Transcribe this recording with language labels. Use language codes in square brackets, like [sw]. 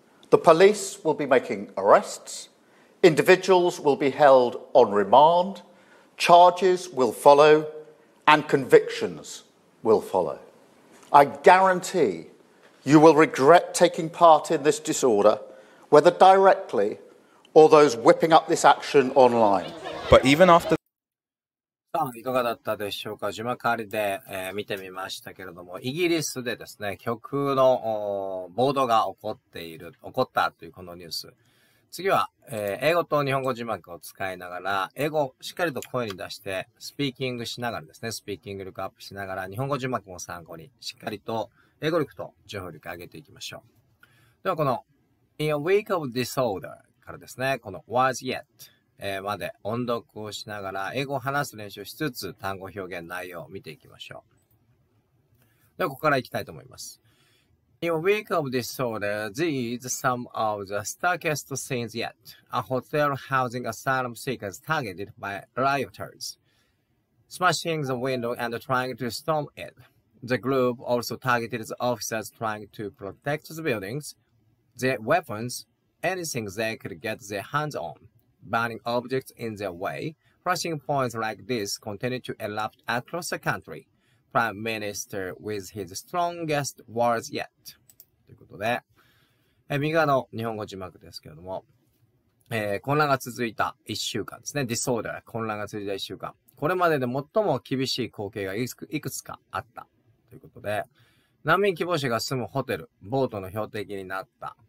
[en] The police will be making arrests. Individuals will be held on remand. Charges will follow and convictions will follow. I guarantee you will regret taking part in this disorder, whether directly or those whipping up this action online. But even after [ja] いかがだったでしょうか。字幕ありで、見てみましたけれども、イギリスでですね、極右の暴動が起こっている、起こったというこのニュース、次は、英語と日本語字幕を使いながら、英語をしっかりと声に出してスピーキングしながらですね、スピーキング力アップしながら、日本語字幕も参考にしっかりと英語力と情報力上げていきましょう。ではこの [en] In a week of disorder [ja] からですね、この Was yetまで音読をしながら、英語を話す練習をしつつ、単語表現内容を見ていきましょう。では、ここから行きたいと思います。 [en] In a week of disorder, these are some of the starkest scenes yet. A hotel housing asylum seekers targeted by rioters, smashing the window and trying to storm it. The group also targeted the officers trying to protect the buildings, their weapons, anything they could get their hands on. Burning objects in their way, flashing points like this continue to erupt across the country. Prime Minister with his strongest words yet. [ja] ということで、右側の日本語字幕ですけれども、混乱が続いた1週間ですね。 Disorder、混乱が続いた1週間。これまでで最も厳しい光景がいくつかあった。ということで、難民希望者が住むホテル、ボートの標的になった。